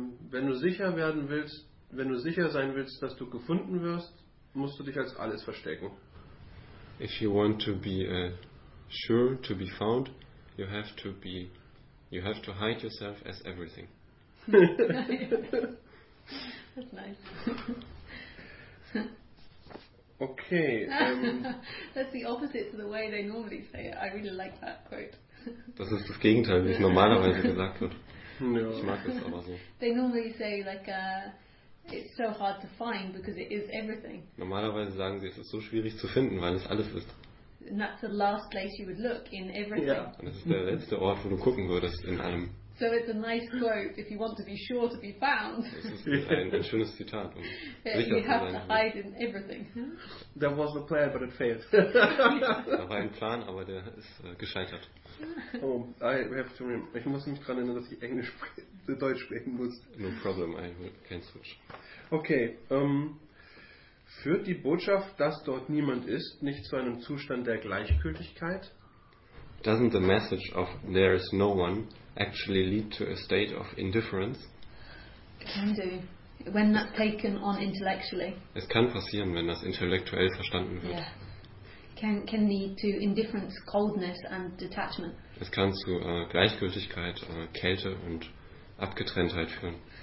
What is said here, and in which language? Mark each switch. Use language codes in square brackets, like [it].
[de] Wenn du sicher sein willst, dass du gefunden wirst, musst du dich als alles verstecken. [en] If you want to be sure to be found, you have to hide yourself as everything. That's nice. Okay. That's the opposite to the way they normally say it. I really like that quote. [de] Das ist das Gegenteil, wie es normalerweise gesagt wird. Ich mag es aber so. [en] They normally say like it's so hard to find because it is everything. [de] Normalerweise sagen sie, es ist so schwierig zu finden, weil es alles ist. [en] And that's the last place you would look in everything. [de] Ja. Und das ist der letzte Ort, wo du gucken würdest in allem. [en] So it's a nice quote if you want to be sure to be found. [de] Das ist ein schönes Zitat. Um [en] yeah, you have to hide in everything. There was a plan, but it failed. [de] Da war ein Plan, aber der ist gescheitert. Oh, ich muss mich dran erinnern, dass ich Englisch Deutsch sprechen muss. [en] No problem, I can switch. [de] Okay, führt die Botschaft, dass dort niemand ist, nicht zu einem Zustand der Gleichgültigkeit? [en] Doesn't the message of there is no one actually lead to a state of indifference? It can do, when that's taken on intellectually. [de] Es kann passieren, wenn das intellektuell verstanden wird. [en] Yeah. Can lead to indifference, coldness and detachment. [de] Es kann zu Gleichgültigkeit, Kälte und Abgetrenntheit führen.